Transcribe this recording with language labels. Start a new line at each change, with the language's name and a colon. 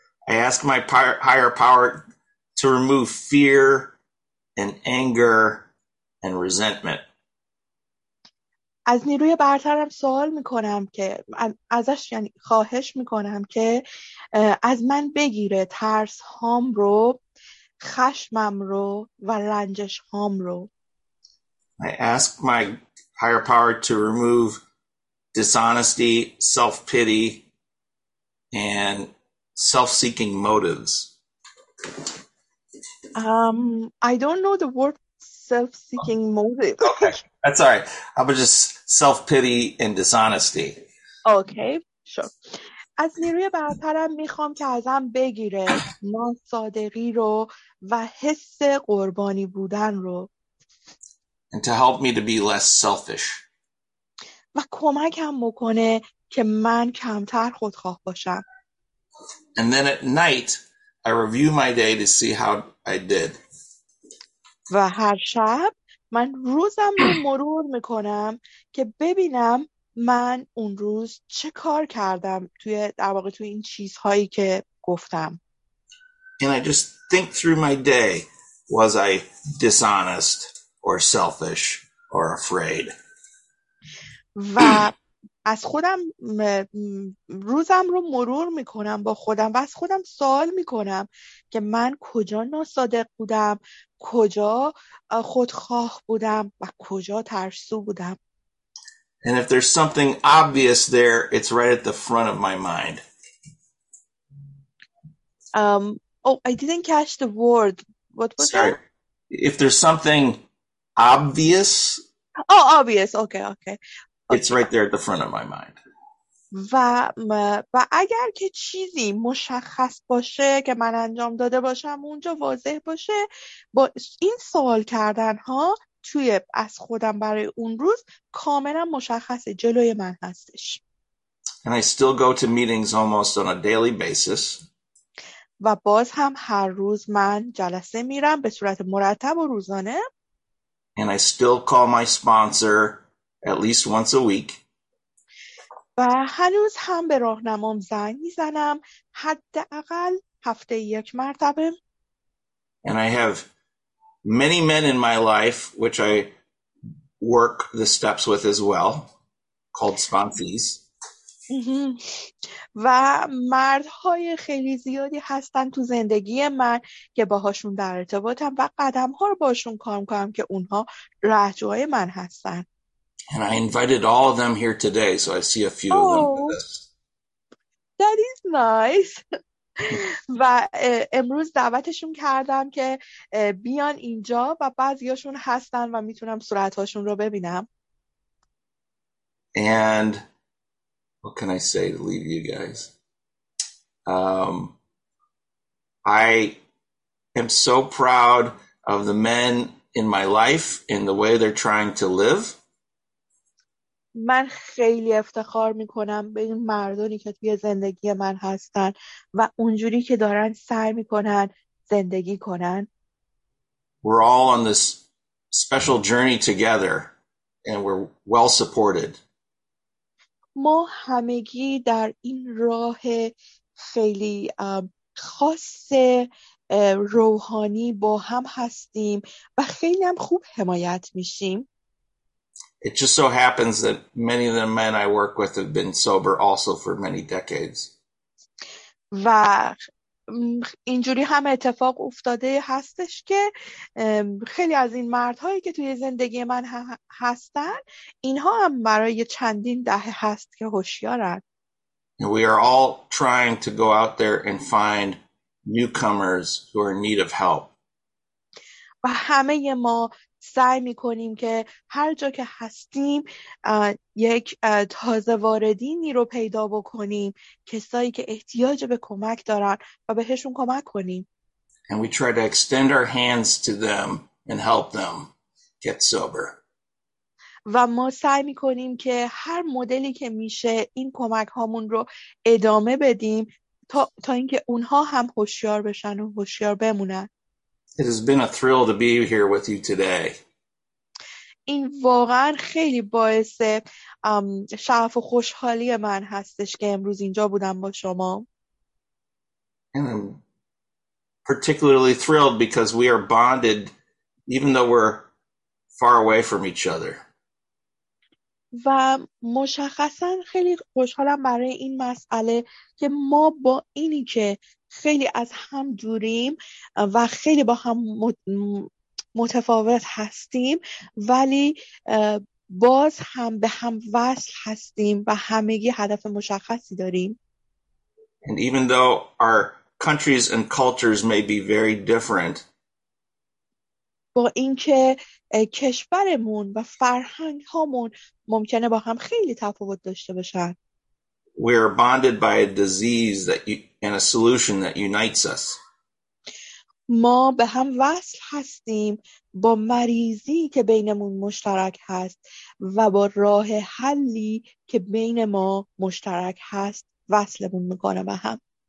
English: I ask my higher power to remove fear and anger and resentment.
Persian: از نیروی برترم سوال میکنم که ازش، یعنی خواهش میکنم که از من بگیره ترس هام رو، خشمم رو و رنجش هام رو.
English: I ask my higher power to remove dishonesty, self-pity and self-seeking motives. I don't know the word self-seeking motive. Okay. That's all right. How about just self-pity and dishonesty? Okay, sure.
Persian: از نیروی برترم میخوام که ازم بگیره نان صادقی رو و حس قربانی بودن رو.
English: And to help me to be less selfish.
Persian: و کمکم بکنه که من کمتر خودخواه باشم.
English: And then at night I review my day to see how I did.
Persian: و هر شب من روزم رو مرور میکنم که ببینم من اون روز چه کار کردم توی در واقع توی این چیزهایی که گفتم.
English: And I just think through my day, was I dishonest or selfish or afraid?
Persian: و از خودم روزم رو مرور میکنم با خودم و از خودم سوال میکنم که من کجا ناصادق بودم، کجا خودخواه بودم و کجا ترسو بودم.
English: And if there's something obvious there, it's right at the front of my mind. I didn't catch the word. What was Sorry. That? If there's something obvious. Oh, obvious. Okay. It's right there at the front of my mind.
Persian: و اگر که چیزی مشخص باشه که من انجام داده باشم اونجا واضح باشه با این سوال کردن ها توی از خودم برای اون روز کاملا مشخصه جلوی من هستش.
English: And I still go to meetings almost on a daily basis.
Persian: و باز هم هر روز من جلسه میرم به صورت مرتب و روزانه.
English: And I still call my sponsor at least once a week.
Persian: و هنوز هم به راهنمام زنگ میزنم حداقل هفته یک مرتبه.
English: And I have many men in my life, which I work the steps with as well, called sponsees.
Persian: و مردهای خیلی زیادی هستن تو زندگی من که باهاشون در ارتباطم و قدم‌ها رو باشون کار می‌کنم که اونها رهجوهای من هستن.
English: And I invited all of them here today, so I see a few of them with us. That is nice.
Persian: و امروز دعوتشون کردم که بیان اینجا و بعضیاشون هستن و میتونم صورتاشون رو ببینم.
English: And what can I say to leave you guys? I am so proud of the men in my life in the way they're trying to live.
Persian: من خیلی افتخار میکنم به این مردانی که توی زندگی من هستن و اونجوری که دارن سعی میکنن زندگی کنن.
English: We're all on this special journey together and we're well supported.
Persian: ما همگی در این راه خیلی خاص روحانی با هم هستیم و خیلی هم خوب حمایت میشیم.
English: It just so happens that many of the men I work with have been sober also for many decades.
Persian: و اینجوری هم اتفاق افتاده هستش که خیلی از این مردهایی که توی زندگی من هستن اینها هم برای چندین دهه هست که هوشیارن.
English: We are all trying to go out there and find newcomers who are in need of help.
Persian: و همه ما سعی میکنیم که هر جا که هستیم یک تازه واردینی رو پیدا بکنیم، کسایی که احتیاج به کمک دارن و بهشون کمک کنیم.
English: And we try to extend our hands to them and help them get sober.
Persian: و ما سعی میکنیم که هر مدلی که میشه این کمک هامون رو ادامه بدیم تا اینکه اونها هم هوشیار بشن و هوشیار بمونن.
English: It has been a thrill to be here with you today.
Persian: این واقعا خیلی باعث شرف و خوشحالی من هستش که امروز اینجا بودم با شما.
English: And I'm particularly thrilled because we are bonded even though we're far away from each other.
Persian: و مشخصا خیلی خوشحالم برای این مسئله که ما با اینی که خیلی از هم دوریم و خیلی با هم متفاوت هستیم ولی باز هم به هم وصل هستیم و همگی هدف مشخصی داریم.
English: And even though our countries and cultures may be very different,
Persian: با اینکه کشورمون و فرهنگ هامون ممکنه با هم خیلی تفاوت داشته باشن.
English: We are bonded by a disease that and a solution that unites us.
Persian: ما به هم وصل هستیم با مریضی که بینمون مشترک هست و با راه حلی که بین ما مشترک هست وصلمون میکنه به هم.